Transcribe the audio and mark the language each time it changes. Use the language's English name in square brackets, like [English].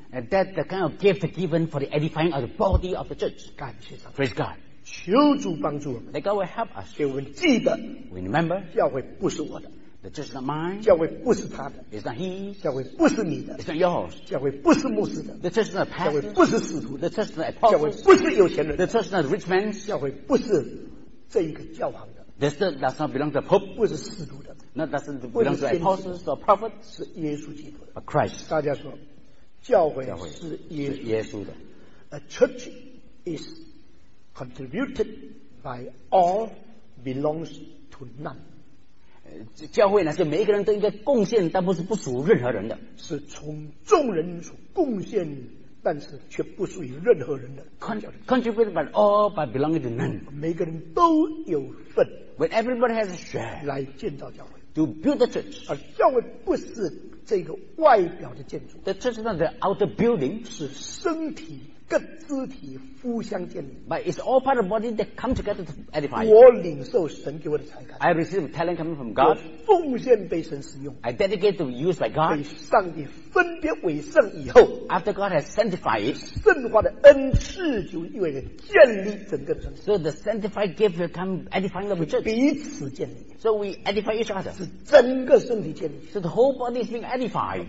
[English] and that's the kind of gift given for the edifying of the body of the church [Chinese] 感谢上帝 [English] praise God [Chinese] 求主帮助我们 [English] that God will help us [Chinese] 给我们记得 [English] we remember [Chinese] 教会不是我的 [English] The church is not mine. [Chinese] 教会不是他的。 [English] It's not his. [Chinese] 教会不是你的。 [English] It's not yours. [Chinese] 教会不是牧师的。 [English] The church is not a pastor. [Chinese] 教会不是使徒的。 [English] The church is not a apostle. [Chinese] 教会不是有钱人的。 [English] The church is not a rich man. [Chinese] 教会不是这一个教皇的。 [English] This does not belong to the Pope. [Chinese] 不是使徒的。 [English] Not doesn't belong to apostles or prophets. [Chinese] 是耶稣基督的。 [English] But Christ. [Chinese] 大家说，教会是耶稣的。 [English] A church is contributed by all belongs to none. [Chinese] 教会呢，是每一个人都应该贡献，但不是不属任何人的。是从众人所贡献，但是却不属于任何人的。 [English] Contributed by all, but belonging to none. [Chinese] 每个人都有份。 [English] When everybody has a share, [Chinese] 来建造教会。 [English] To build the church. [Chinese] 而教会不是这个外表的建筑。 [English] The church is not the outer building. [Chinese] 是身体。各肢体互相建立 [English] but it's all part of the body that come together to edify [Chinese] 我领受神给我的才干 [English] I receive talent coming from God [Chinese] 奉献被神使用 [English] I dedicate to use by God [Chinese] 被上帝分别为圣以后 [English] after God has sanctified it [Chinese] 圣化的恩赐就意味着建立整个城市 [English] so the sanctified gift will come edifying the church [Chinese] 彼此建立 [English] so we edify each other [Chinese] 是整个身体建立 [English] so the whole body is being edified